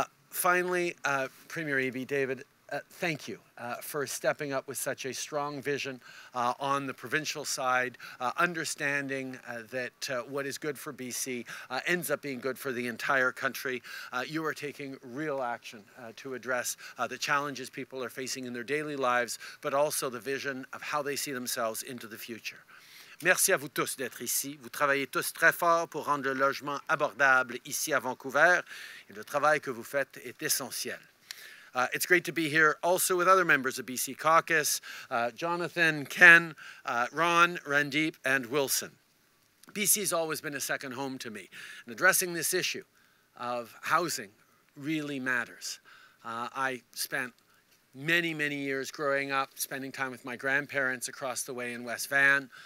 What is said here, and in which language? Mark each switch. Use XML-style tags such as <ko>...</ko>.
<en>Finally, Premier Eby, David, thank you for stepping up with such a strong vision on the provincial side, understanding that what is good for BC ends up being good for the entire country. You are taking real action to address the challenges people are facing in their daily lives, but also the vision of how they see themselves into the future.</en> <fr>Merci à vous tous d'être ici. Vous travaillez tous très fort pour rendre le logement abordable ici à Vancouver. Et le travail que vous faites est essentiel.</fr> <en>It's great to be here also with other members of BC Caucus, Jonathan, Ken, Ron, Randeep, and Wilson. BC's always been a second home to me. And addressing this issue of housing really matters. I spent many, many years growing up, spending time with my grandparents across the way in West Van.</en>